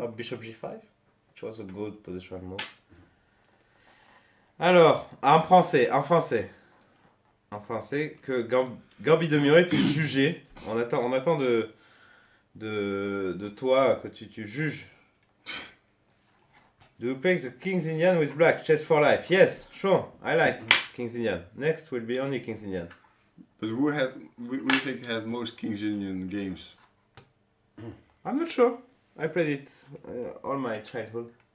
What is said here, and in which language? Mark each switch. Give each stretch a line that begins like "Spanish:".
English: or Bishop G5, which was a good position move.
French: Alors, en français, que Gambi de Muret puisse juger, on attend de toi que tu juges.
English: Do you play the King's Indian with black? Chess for life. Yes, sure. I like King's Indian. Next will be only King's Indian. But who has, we think has most King's Indian games? I'm not sure. I played it all my childhood.